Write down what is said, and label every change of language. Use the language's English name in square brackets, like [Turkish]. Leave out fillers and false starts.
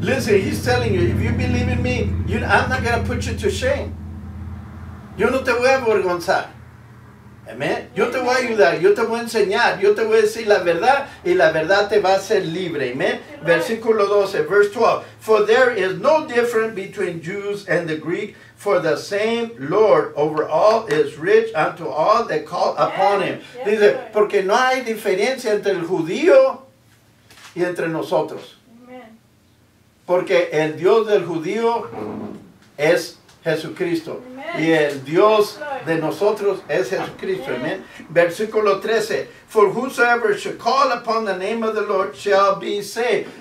[English] Listen, he's telling you, if you believe in me, I'm not going to put you to shame. [Spanish] Yo no te voy a avergonzar. Amen. Yo te voy a ayudar, yo te voy a enseñar, yo te voy a decir la verdad, y la verdad te va a hacer libre. Amen. Versículo 12, [English] verse 12. For there is no difference between Jews and the Greek, for the same Lord over all is rich unto all that call upon him. [Spanish] Dice, porque no hay diferencia entre el judío y entre nosotros. Porque el Dios del judío es Jesucristo. Y el Dios de nosotros es Jesucristo. Amen. Versículo 13. [English] For whosoever shall call upon the name of the Lord shall be saved.